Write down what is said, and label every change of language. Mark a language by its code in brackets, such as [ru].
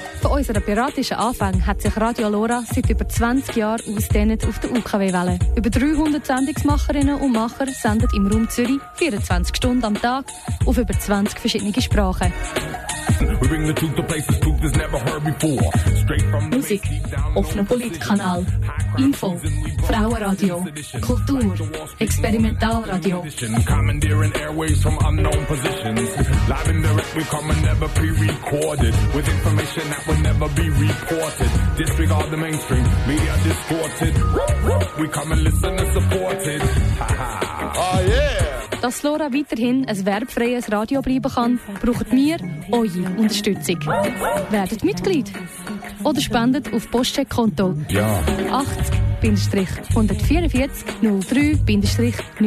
[de] unserer piratischen Anfänge hat sich Radio Lora seit über 20 Jahren ausdehnt auf der UKW-Welle. Über 300 Sendungsmacherinnen und Macher senden im Raum Zürich 24 Stunden am Tag auf über 20 verschiedene Sprachen. [en] We bring the truth to places truth has never heard before. Straight from the [de] Musik, offener Politkanal, Info, Frauenradio, Kultur, Experimentalradio. [en] Commandeering airwaves from unknown positions. Live and direct, we come and never pre-recorded. With information that will never be reported. Disregard the mainstream, media distorted. We come and listen and support it. [de] Dass Lora weiterhin ein werbfreies Radio bleiben kann, braucht wir eure Unterstützung. Werdet Mitglied oder spendet auf Postcheckkonto 80-144-03-9.